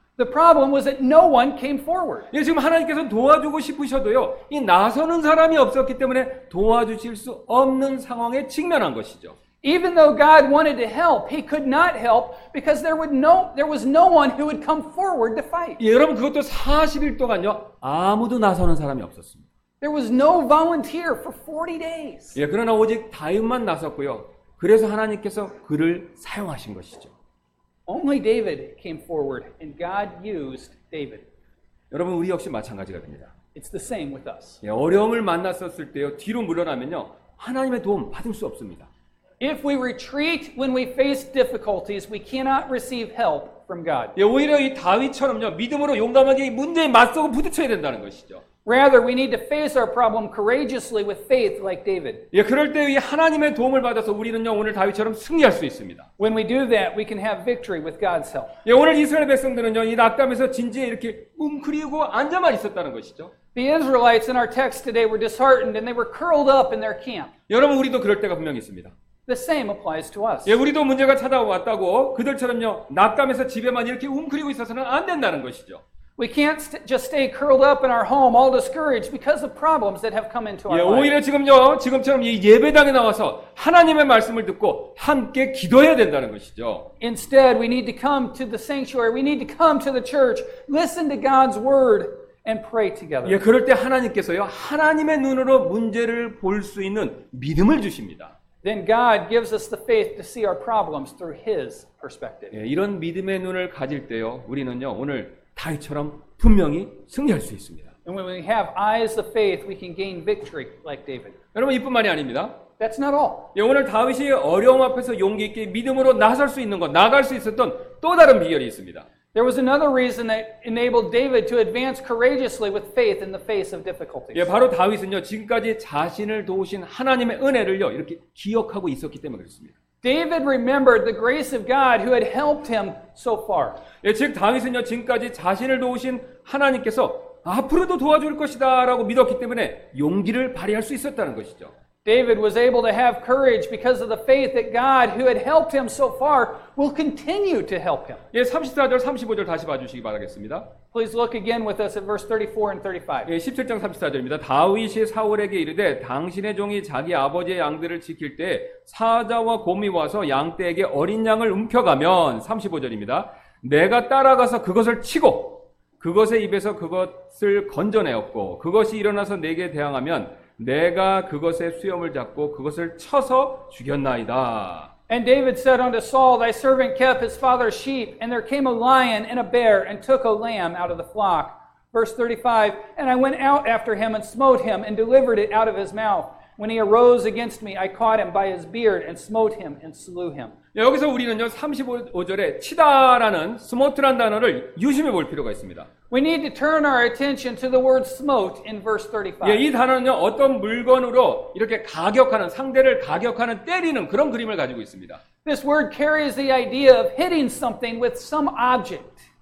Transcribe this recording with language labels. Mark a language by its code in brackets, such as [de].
[en] The problem was that no one came forward. [ko] 예, 지금 하나님께서 도와주고 싶으셔도요, 이 나서는 사람이 없었기 때문에 도와주실 수 없는 상황에 직면한 것이죠. [en] Even though God wanted to help, he could not help because there was no one who would come forward to fight. [ko] 예, 여러분 그것도 40일 동안요. 아무도 나서는 사람이 없었습니다. [en] There was no volunteer for 40 days. [ko] 예, 그러나 오직 다윗만 나섰고요. 그래서 하나님께서 그를 사용하신 것이죠. [en] Only David came forward and God used David. [ko] 여러분 우리 역시 마찬가지가 됩니다. [en] It's the same with us. [ko] 예, 어려움을 만났었을 때요. 뒤로 물러나면요. 하나님의 도움 받을 수 없습니다. [en] If we retreat when we face difficulties, we cannot receive help from God. [ko] 예, 오히려 이 다윗처럼요, 믿음으로 용감하게 이 문제에 맞서고 부딪혀야 된다는 것이죠. [en] Rather, we need to face our problem courageously with faith like David. [ko] 예, 그럴 때 이 하나님의 도움을 받아서 우리는요, 오늘 다윗처럼 승리할 수 있습니다. [en] When we do that, we can have victory with God's help. [ko] 예, 오늘 이스라엘 백성들은요, 이 낙담에서 진지에 이렇게 웅크리고 앉아만 있었다는 것이죠. [en] The Israelites in our text today were disheartened and they were curled up in their camp. [ko] 여러분, 우리도 그럴 때가 분명히 있습니다. [en] The same applies to us. [ko] 예, 우리도 문제가 찾아왔다고 그들처럼요 낙담해서 집에만 이렇게 웅크리고 있어서는 안 된다는 것이죠. [en] We can't just stay curled up in our home, all discouraged because of problems that have come into our life. [ko] 예, 오히려 지금요 지금처럼 이 예배당에 나와서 하나님의 말씀을 듣고 함께 기도해야 된다는 것이죠. [en] Instead, we need to come to the sanctuary. We need to come to the church, listen to God's word, and pray together. [ko] 예, 그럴 때 하나님께서요 하나님의 눈으로 문제를 볼 수 있는 믿음을 주십니다. [en] Then God gives us the faith to see our problems through His perspective. [ko] 예, 이런 믿음의 눈을 가질 때요, 우리는요 오늘 다윗처럼 분명히 승리할 수 있습니다. [en] And when we have eyes of faith, we can gain victory like David. [ko] 여러분 이뿐만이 아닙니다. [en] That's not all. [ko] 예, 오늘 다윗이 어려움 앞에서 용기 있게 믿음으로 나설 수 있는 것, 나갈 수 있었던 또 다른 비결이 있습니다. [en] There was another reason that enabled David to advance courageously with faith in the face of difficulties. [ko] 예, 바로 다윗은요 지금까지 자신을 도우신 하나님의 은혜를요 이렇게 기억하고 있었기 때문에 그렇습니다. [en] David remembered the grace of God who had helped him so far. [ko] 예, 즉 다윗은요 지금까지 자신을 도우신 하나님께서 앞으로도 도와줄 것이다라고 믿었기 때문에 용기를 발휘할 수 있었다는 것이죠. [en] David was able to have courage because of the faith that God who had helped him so far will continue to help him. [ko] 예, 34절 35절 다시 봐 주시기 바라겠습니다. [en] Please look again with us at verse 34 and 35. [ko] 예, 17장 34절입니다. 다윗이 사울에게 이르되 당신의 종이 자기 아버지의 양들을 지킬 때 사자와 곰이 와서 양떼에게 어린 양을 움켜가면 35절입니다. 내가 따라가서 그것을 치고 그것의 입에서 그것을 건져내었고 그것이 일어나서 내게 대항하면 내가 그것의 수염을 잡고 그것을 쳐서 죽였나이다. [en] And David said unto Saul, Thy servant kept his father's sheep, and there came a lion and a bear and took a lamb out of the flock. Verse 35, And I went out after him and smote him and delivered it out of his mouth. When he arose against me, I caught him by his beard and smote him and slew him. [ko] 여기서 우리는요 35절에 치다라는 스모트란 단어를 유심히 볼 필요가 있습니다. [en] We need to turn our attention to the word smote in verse 35. [ko] 예, 이 단어는요 어떤 물건으로 이렇게 가격하는 상대를 가격하는 때리는 그런 그림을 가지고 있습니다. [en] This word carries the idea of hitting something with some object.